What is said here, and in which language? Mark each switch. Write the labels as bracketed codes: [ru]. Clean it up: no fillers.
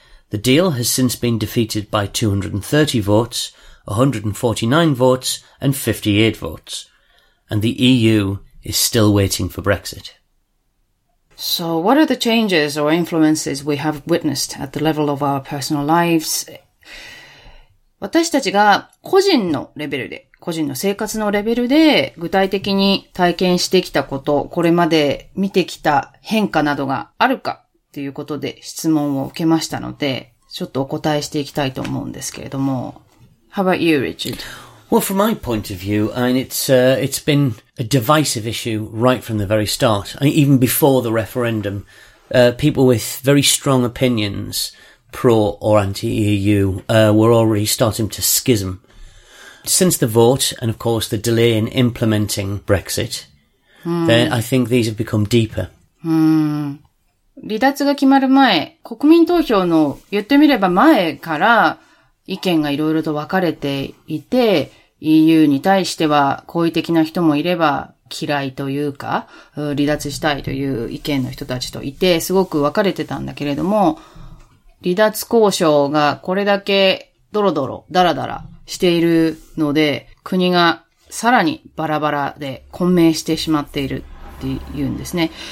[en] The deal has since been defeated by 230 votes, 149 votes and 58 votes. And the EU... is still waiting for Brexit. So what are the changes or influences we have witnessed at the level of our personal lives? [ja] 私たちが個人のレベルで、個人の生活のレベルで具体的に体験してきたこと、これまで見てきた変化などがあるかということで質問を受けましたので、ちょっとお答えしていきたいと思うんですけれども。 [en] How about you, Richard? Well, from my point of view, I mean, it's been a divisive issue right from the very start. I mean, even before the referendum, people with very strong opinions, pro or anti-EU, were already starting to schism. Since the vote, and of course the delay in implementing Brexit, then I think these have become deeper. [ja] 離脱が決まる前、国民投票の言ってみれば前から、意見がいろいろと分かれていて、EU に対しては好意的な人もいれば嫌いというか、離脱したいという意見の人たちといて、すごく分かれてたんだけれども、離脱交渉がこれだけドロドロ、ダラダラしているので、国がさらにバラバラで混迷してしまっているっていうんですね。